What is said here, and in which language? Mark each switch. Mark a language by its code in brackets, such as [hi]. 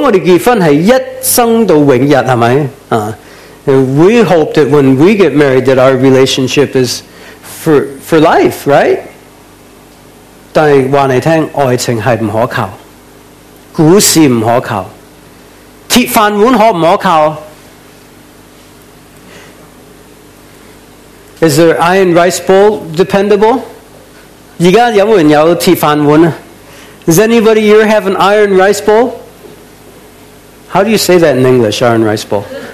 [zh] 但是我们希望如果我们结婚是一生到永日，是吗? [en] We hope that when we get married that our relationship is for life, right? [zh] 但是告诉你,爱情是不可靠。股市不可靠。铁饭碗可不可靠? [en] Is there iron rice bowl dependable? [zh] 现在有没有人有铁饭碗? [en] Does anybody here have an iron rice bowl? How do you say that in English, iron rice bowl?